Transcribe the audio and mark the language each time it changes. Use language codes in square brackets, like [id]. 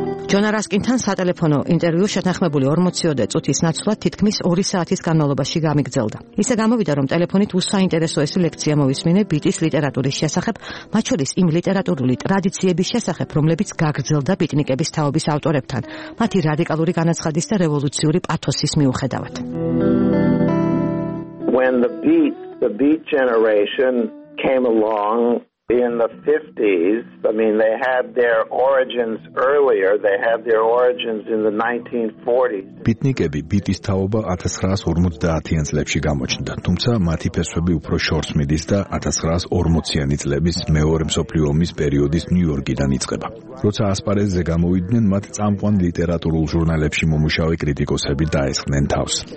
[ka] ჯონა რასკინთან სატელეფონო ინტერვიუ შეთანხმებული 40-ამდე წუთის ნაცვლად თითქმის 2 საათის განმავლობაში გამიგრძელდა. ისე გამოვიდა, რომ ტელეფონით უსაინტერესო ეს ლექცია მოისმინე ბიტის ლიტერატურის შესახებ, მათ შორის იმ ლიტერატურული ტრადიციების შესახებ, რომლებიც გაგრძელდა ბიტნიკების თაობის ავტორებთან, მათი რადიკალური განაცხადის და რევოლუციური პათოსის მიუხედავად. [en] When the beat generation came along in the 50s, I mean, they had their origins earlier, they had their origins in the 1940s. [ka] ბიტნიკები ბიტის თაობა 1950-იან წლებში გამოჩნდა, თუმცა მათი ფესვები უფრო შორს მიდის და 1940-იანი წლების მეორე მსოფლიო ომის პერიოდის ნიუ-იორკიდან იწყება. როცა ასპარეზზე გამოვიდნენ, მათ წამყვან ლიტერატურულ ჟურნალებში მომუშავე კრიტიკოსები დაესხნენ თავს.